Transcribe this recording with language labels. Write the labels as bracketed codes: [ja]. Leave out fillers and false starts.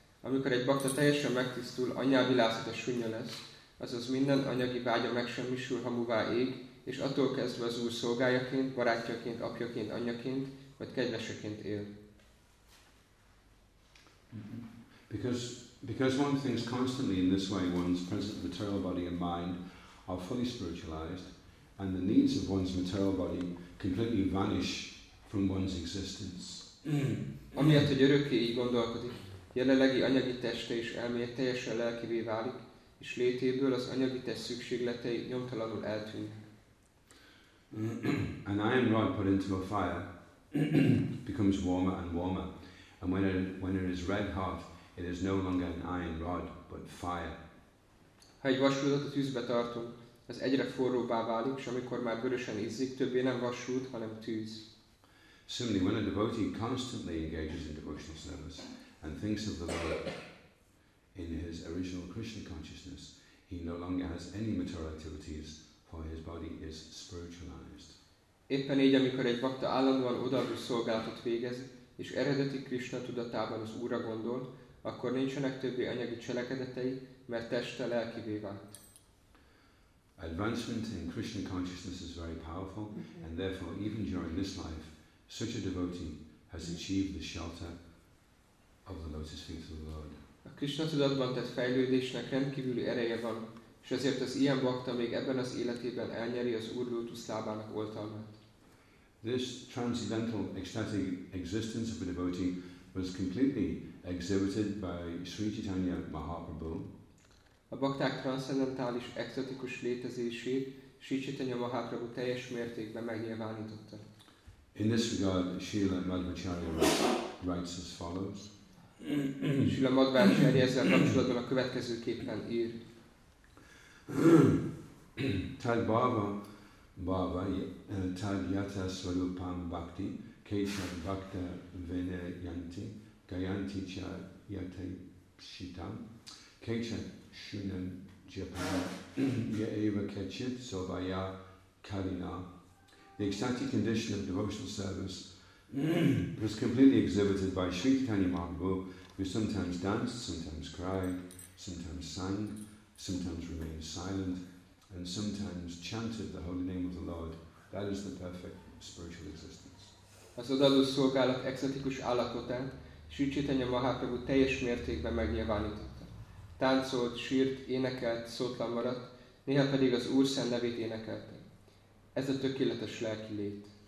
[hu] Amikor egy bhakta teljesen megtisztul, anyávilászata sunya lesz, azaz minden anyagi vágya megsemmisül, hamuvá ég, és attól kezdve az Úr szolgájaként, barátjaként, apjaként, anyjaként, vagy kedveseként él. [en] Because one thinks constantly in this way, one's present material body and mind are fully spiritualized, and the needs of one's material body completely vanish from one's existence. [hu] Amiatt, hogy örökké így gondolkodik, jelenlegi anyagi teste és elméje teljesen lelkivé válik, és létéből az anyagi test szükségletei nyomtalanul eltűnnek. [en] An iron rod put into a fire becomes warmer and warmer, and when it is red hot, it is no longer an iron rod, but fire. [hu] Ha egy vasrudat a tűzbe tartunk, ez egyre forróbbá válik, és amikor már vörösen ízzik, többé nem vasrud, hanem tűz. [en] Similarly, when a devotee constantly engages in devotional service and thinks of the Lord in his original Krishna consciousness, he no longer has any material activities, for his body is spiritualized. [hu] Éppen így, amikor egy bhakta állandóan odaadó szolgálatot végez, és eredeti Krishna tudatában az Úrra gondol, akkor nincsenek többi anyagi cselekedetei, mert teste lelkivé vált. [en] Advancement in Krishna consciousness is very powerful, and therefore even during this life, such a devotee has achieved the shelter of the lotus feet of the Lord. [hu] A Krishna tudatban tett fejlődésnek rendkívüli ereje van, és ezért az ilyen bhakta még ebben az életében elnyeri az Úr lótusz lábának oltalmát. [en] This transcendental ecstatic existence of a devotee was completely exhibited by Sri Chaitanya Mahaprabhu. [hu] A bhakták transzendentális ecstatikus létezését Sri Chaitanya Mahaprabhu teljes mértékben megnyilvánította. [en] In this regard, Srila Madhvacharya writes as follows. [hu] Srila Madhvacharya ezzel kapcsolatban a következőképpen ír. [sa] Tad bhava tad yata svarupam bhakti kesha bhakta venayanti gayanti cha yate shitam kesha shunam japan ya eva kachit sovaya kalina. [en] The ecstatic condition of devotional service was completely exhibited by Sri Chaitanya Mahaprabhu, who sometimes danced, sometimes cried, sometimes sang, sometimes remained silent, and sometimes chanted the holy name of the Lord. That is the perfect spiritual existence. [hu] Az odaadó szolgálat ecstatikus állapotát Sri Chaitanya Mahaprabhu teljes mértékben megnyilvánította. Táncolt, sírt, énekelt, szótlan maradt, néha pedig az Úr szent nevét énekelte. Ez a tökéletes lelki lét.